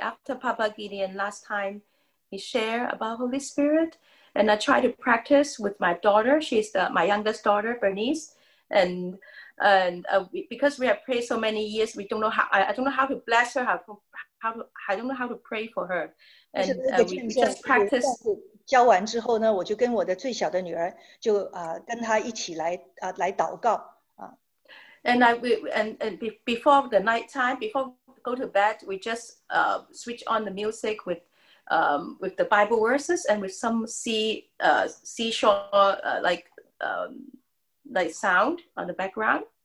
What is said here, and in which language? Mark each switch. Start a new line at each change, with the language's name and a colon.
English: After Papa Gideon last time, he shared about Holy Spirit, and I tried to practice with my daughter. She's my youngest daughter, Bernice. Because we have prayed so many years, we don't know how. I don't know how to bless her. I don't know how to pray for her. And we just practice.
Chinese: 教完之后呢，我就跟我的最小的女儿就跟她一起来祷告啊。
English: And and before the night time, before we go to bed, we just switch on the music with the Bible verses and with some seashore like sound on the background.